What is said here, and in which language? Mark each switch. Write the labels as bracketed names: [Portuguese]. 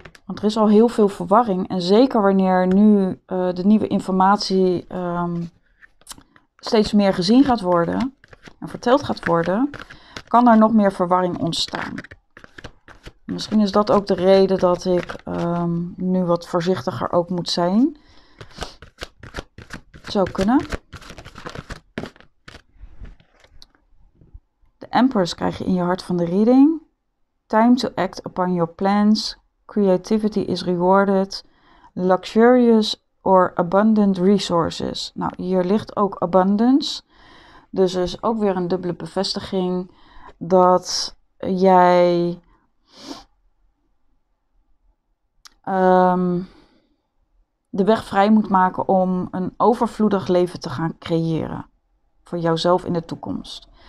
[Dutch] Want er is al heel veel verwarring. En zeker wanneer nu de nieuwe informatie steeds meer gezien gaat worden en verteld gaat worden, kan er nog meer verwarring ontstaan. Misschien is dat ook de reden dat ik nu wat voorzichtiger ook moet zijn. Zou kunnen. De Empress krijg je in je hart van de reading. [English] Time to act upon your plans. Creativity is rewarded. Luxurious or abundant resources. [Dutch] Nou, hier ligt ook abundance. Dus er is ook weer een dubbele bevestiging dat jij de weg vrij moet maken om een overvloedig leven te gaan creëren voor jouzelf in de toekomst.